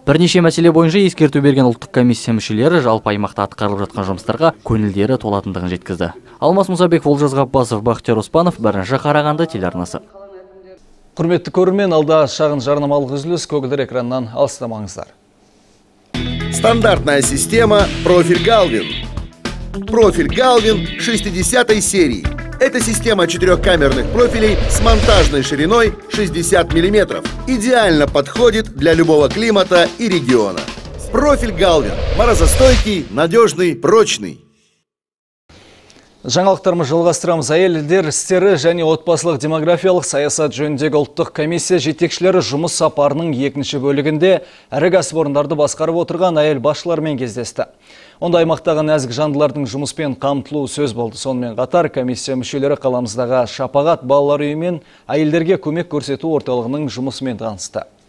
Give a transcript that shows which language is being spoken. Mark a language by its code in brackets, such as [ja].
[kk] Бірнеше мәселе бойынша ескерту берген ұлттық комиссия мүшелері жалпы аймақта атқарылып жатқан жұмыстарға көңілдері толатындығын жеткізді. Алмас Мұсабек, Олжас Ғаппасов, Бақтияр Оспанов, бірінші қарағанды телеарнасы. Құрметті көрермен, алдағы шағын жарнамалық үзіліс, көгілдір экраннан алыстамаңыздар. [ru] Стандартная система «Профиль Галвин». «Профиль Галвин» 60-й серии. Это система четырехкамерных профилей с монтажной шириной 60 мм. Идеально подходит для любого климата и региона. Профиль Галвин. Морозостойкий, надежный, прочный. [kk] Жаңалықтарымыз жалғастырамыз. Әйелдер істері және отбасылық демографиялық саясат жөніндегі ұлттық комиссия жетекшілері жұмыс сапарының екінші бөлігінде ірі кәсіпорындарды басқарып отырған әйел басшылармен кездесті. Онда аймақтағы нәзік жандылардың жұмыспен қамтылуы сөз болды. Сонымен қатар комиссия мүшелері қаламыздағы Шапағат балалар үйі мен әйелдерге көмек көрсету орталығының жұмысымен танысты.